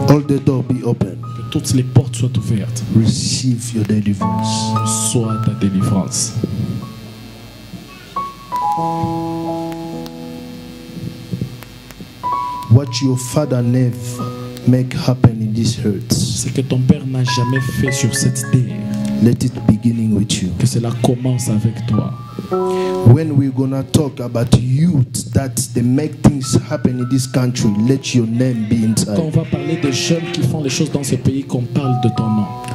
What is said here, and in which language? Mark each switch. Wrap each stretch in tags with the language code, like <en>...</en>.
<en>All the doors be open,</en> <fr>que toutes les portes soient ouvertes.</fr> <en>Receive your deliverance,</en> <fr>sois ta délivrance.</fr> <en>What your father never make happen in this earth,</en> <fr>ce que ton père n'a jamais fait sur cette terre,</fr> <en>let it beginning with you,</en> <fr>que cela commence avec toi.</fr> <en>When we gonna talk about youth that they make things happen in this country, let your name be inside.</en> <fr>Quand on va parler de jeunes qui font les choses dans ce pays, qu'on parle de ton nom.</fr>